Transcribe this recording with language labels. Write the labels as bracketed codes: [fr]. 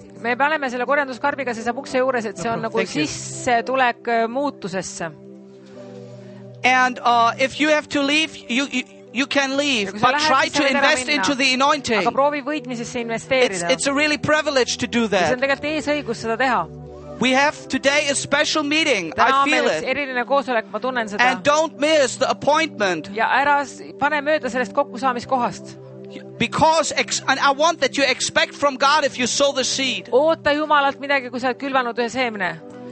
[et] Me paneme selle korjanduskarbiga, see saab ukse juures, et see on nagu sisse tulek muutusesse. [en] And if you have to leave, you can leave, but try to invest into the anointing. [et] Aga proovi võitmisesse investeerida. [en] It's a really privilege to do that. [et] See on tegelikult eesõigus seda teha. [en] We have today a special meeting. [et] Täna [en] I feel it. [et] Eriline koosolek, ma tunnen seda. [en] And don't miss the appointment. [et] Ja ära pane mööda sellest kokkusaamiskohast. [en] Because and I want that you expect from God if you sow the seed. [et] Oota Jumalalt midagi, kui sa oled külvanud ühe seemne.